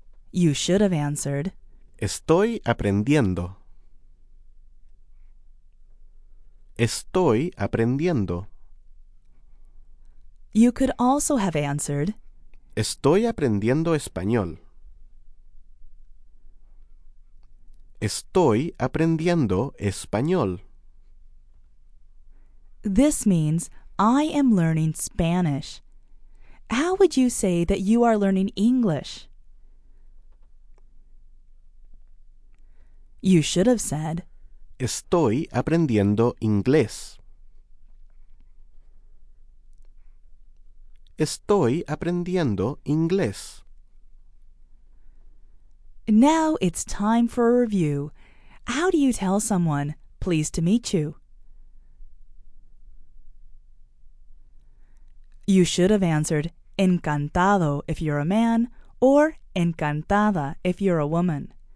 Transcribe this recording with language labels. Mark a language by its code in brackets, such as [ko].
[en] You should have answered. [es] Estoy aprendiendo. Estoy aprendiendo. [en] You could also have answered. [es] Estoy aprendiendo español. Estoy aprendiendo español. [en] This means, I am learning Spanish. How would you say that you are learning English? You should have said, [es] estoy aprendiendo inglés. Estoy aprendiendo inglés. [en] Now it's time for a review. How do you tell someone, pleased to meet you? You should have answered, encantado if you're a man, or encantada if you're a woman.